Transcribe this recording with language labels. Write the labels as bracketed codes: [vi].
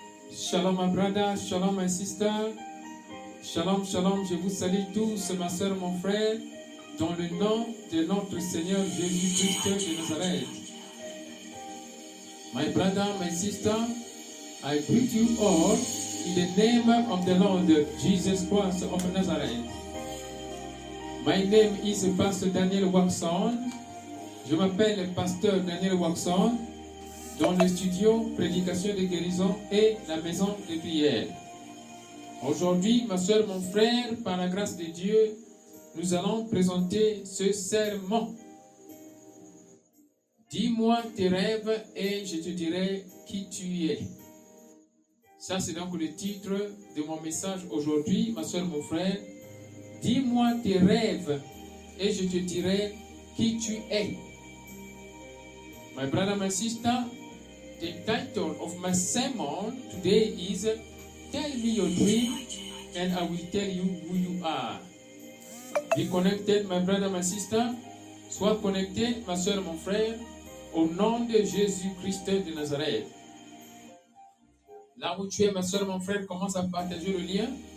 [en] Shalom my brother, shalom my sister, [fr] shalom, shalom, je vous salue tous, ma soeur, mon frère, dans le nom de notre Seigneur Jésus Christ de Nazareth. [en] My brother, my sister, I greet you all in the name of the Lord Jesus Christ of Nazareth. My name is Pastor Daniel Waxon. [fr] Je m'appelle Pasteur Daniel Waxon dans le studio Prédication de guérison et la maison de prière. Aujourd'hui, ma soeur, mon frère, par la grâce de Dieu, nous allons présenter ce sermon. Dis-moi tes rêves et je te dirai qui tu es. Ça, c'est donc le titre de mon message aujourd'hui, ma soeur, mon frère. Dis-moi tes rêves et je te dirai qui tu es. [en] My brother, my sister, the title of my sermon today is Tell me your dream and I will tell you who you are. Be connected, my brother, my sister. [fr] Sois connecté, ma soeur, mon frère, au nom de Jésus Christ de Nazareth. Là où tu es, ma soeur, mon frère, commence à partager le lien.